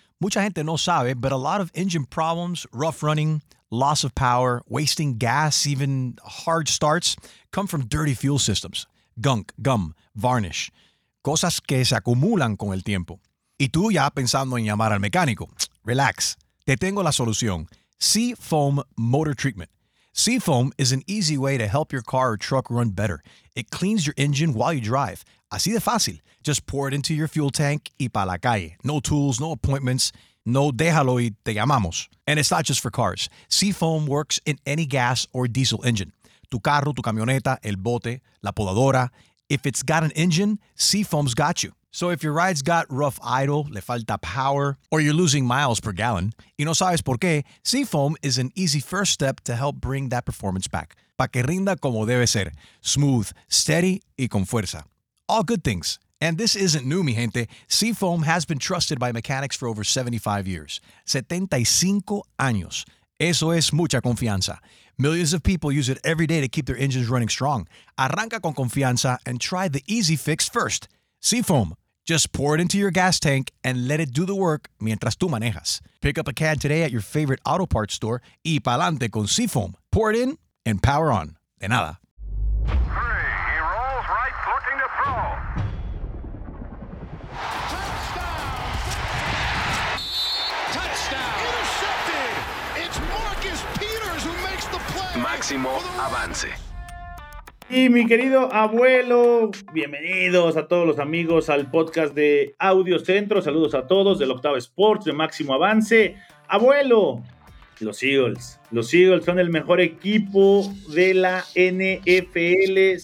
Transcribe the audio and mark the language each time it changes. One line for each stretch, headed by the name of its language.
Spanish: Mucha gente no sabe,
English: but a lot of engine problems, rough running, loss of power, wasting gas, even hard starts, come from dirty fuel systems. Gunk, gum, varnish.
Spanish: Cosas que se acumulan con el tiempo. Y tú ya pensando en llamar al mecánico. Relax, te tengo la solución. Seafoam Motor Treatment.
English: Seafoam is an easy way to help your car or truck run better. It cleans your engine while you drive.
Spanish: Así de fácil.
English: Just pour it into your fuel tank
Spanish: y pa' la calle.
English: No tools, no appointments.
Spanish: No déjalo y te llamamos.
English: And it's not just for cars. Seafoam works in any gas or diesel engine.
Spanish: Tu carro, tu camioneta, el bote, la podadora.
English: If it's got an engine, Seafoam's got you. So if your ride's got rough idle,
Spanish: le falta
English: power, or you're losing miles per gallon,
Spanish: y no sabes por qué,
English: Seafoam is an easy first step to help bring that performance back.
Spanish: Pa' que rinda como debe ser.
English: Smooth, steady,
Spanish: y con fuerza.
English: All good things. And this isn't new,
Spanish: mi gente.
English: Seafoam has been trusted by mechanics for over 75 years.
Spanish: 75 años. Eso es mucha confianza.
English: Millions of people use it every day to keep their engines running strong.
Spanish: Arranca con confianza
English: and try the easy fix first. Seafoam. Just pour it into your gas tank and let it do the work
Spanish: mientras tú manejas.
English: Pick up a can today at your favorite auto parts store
Spanish: y pa'lante con Seafoam.
English: Pour it in and power on.
Spanish: De nada.
English: Three, he rolls right, looking to throw. Touchdown! Touchdown! Intercepted! It's Marcus Peters who makes the play.
Spanish: Máximo avance. Y mi querido abuelo, bienvenidos a todos los amigos al podcast de Audio Centro. Saludos a todos del Octavo Sports, de Máximo Avance. Abuelo, los Eagles son el mejor equipo de la NFL.